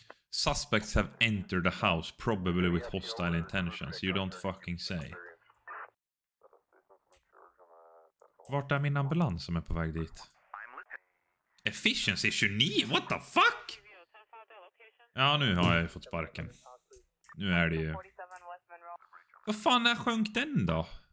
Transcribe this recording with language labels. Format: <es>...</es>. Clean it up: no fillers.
<en>Suspects have entered the house, probably with hostile intentions. You don't fucking say.</en> <sv>Vart är min ambulans som är på väg dit?</sv> <en>Efficiency 29, what the fuck?</en> <sv>Ja, nu har jag ju fått sparken. Nu är det ju... Vad fan, när sjönk den då?</sv>